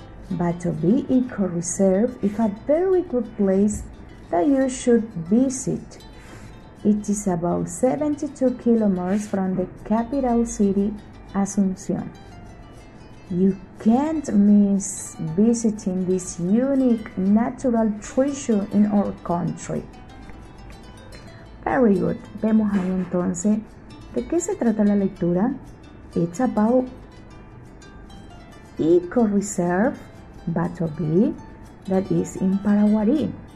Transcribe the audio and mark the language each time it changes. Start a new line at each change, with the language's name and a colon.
English: Batobí Eco Reserve is a very good place that you should visit. It is about 72 kilometers from the capital city, Asunción. You can't miss visiting this unique natural treasure in our country. Very good.
Spanish: Vemos ahí entonces, ¿de qué se trata la lectura?
English: It's about Eco Reserve, Batobí, that is in Paraguarí.